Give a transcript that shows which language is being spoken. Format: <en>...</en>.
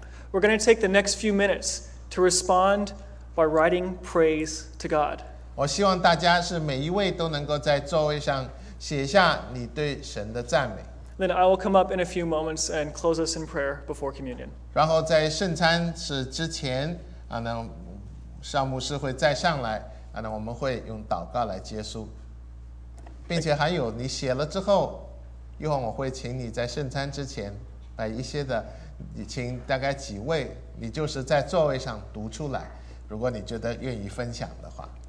<en>We're going to take the next few minutes to respond by writing praise to God.</en> <zh>我希望大家是每一位都能够在座位上写下你对神的赞美。</zh> <en>Then I will come up in a few moments and close us in prayer before communion.</en> <zh>然后在圣餐吃之前，那邵牧师会再上来，那我们会用祷告来结束，并且还有你写了之后，一会儿我会请你在圣餐之前把一些的，你请大概几位，你就是在座位上读出来，如果你觉得愿意分享的话。</zh>